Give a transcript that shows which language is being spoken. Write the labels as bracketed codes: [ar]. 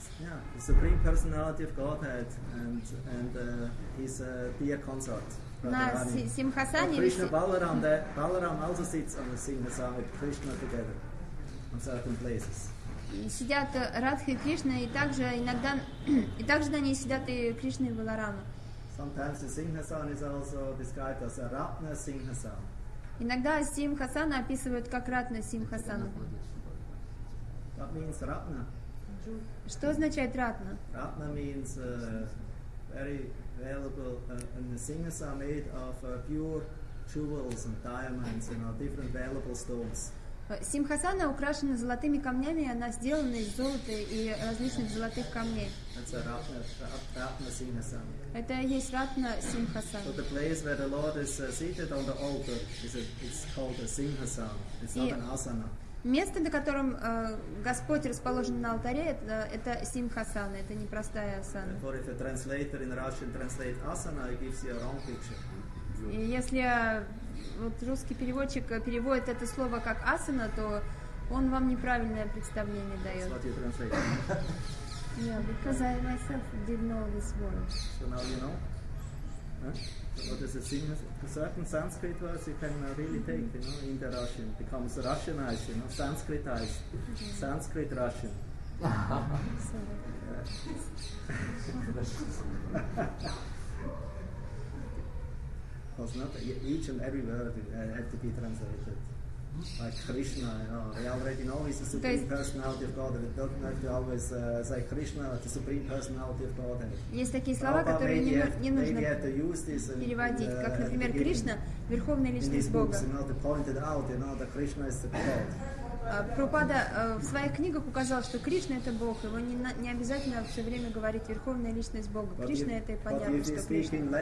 [en] Yeah, the Supreme Personality of Godhead and his dear consort. Simhasani. Krishna Balaram, Balaram also sits on the Simhasana with Krishna together on certain places. [ru] Сидят Радха и Кришна, и также иногда и также на ней сидят и Кришна и Баларама. [en] Sometimes the Simhasana is also described as a Ratna Simhasana. [ru] Иногда Симхасана описывают как Ратна Симхасана. [en] That means Ratna. [ru] Что означает Ратна? [en] Ратна means very valuable, and the singers are made of pure jewels and diamonds, you know, different valuable stones. [ru] Симхасана украшена золотыми камнями, она сделана из золота и различных золотых камней. [en] That's a Ратна Симхасана. [ru] Это и есть Ратна Симхасана. [en] So the place where the Lord is seated on the altar is called a Симхасана. It's not an asana. [ru] Место, на котором Господь расположен на алтаре, это симхасана, это непростая асана. [en] Therefore, if a translator in Russian translates asana, it gives you a wrong picture. [ru] И если вот русский переводчик переводит это слово как асана, то он вам неправильное представление дает. [en] That's what you translate. Yeah, because I myself didn't know this word. So now you know? What is the sign? Certain Sanskrit words you can really take, you know, in the Russian. It becomes Russianized, you know, Sanskritized. Okay. Sanskrit Russian. Because not each and every word had to be translated. Like Krishna, you know, they already know he's the Supreme Personality of God. They don't have to always say Krishna, the Supreme Personality of God. [ru] Есть такие слова, которые не нужно переводить, как, например, Кришна, Верховная Личность Бога. [en] You know, they pointed out, you know, that Krishna is the God. [ru] Прабхупада в своих книгах указал, что Кришна это Бог, его не обязательно все время говорить Верховная Личность Бога. Кришна это и понятно, что Кришна.